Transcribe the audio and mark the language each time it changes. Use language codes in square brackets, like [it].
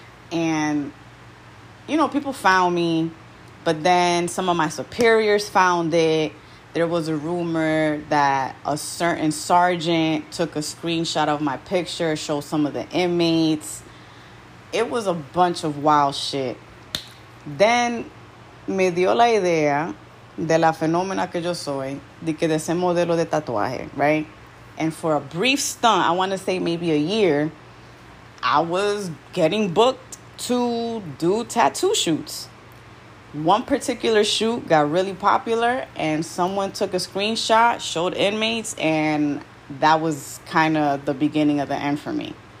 [en] And, you know, people found me, but then some of my superiors found it. There was a rumor that a certain sergeant took a screenshot of my picture, showed some of the inmates. It was a bunch of wild shit. Then [es] me dio la idea de la fenómena que yo soy, de que de ese modelo de tatuaje, [en] right? And for a brief stunt, I want to say maybe a year, I was getting booked to do tattoo shoots. One particular shoot got really popular and someone took a screenshot, showed inmates, and that was kind of the beginning of the end for me.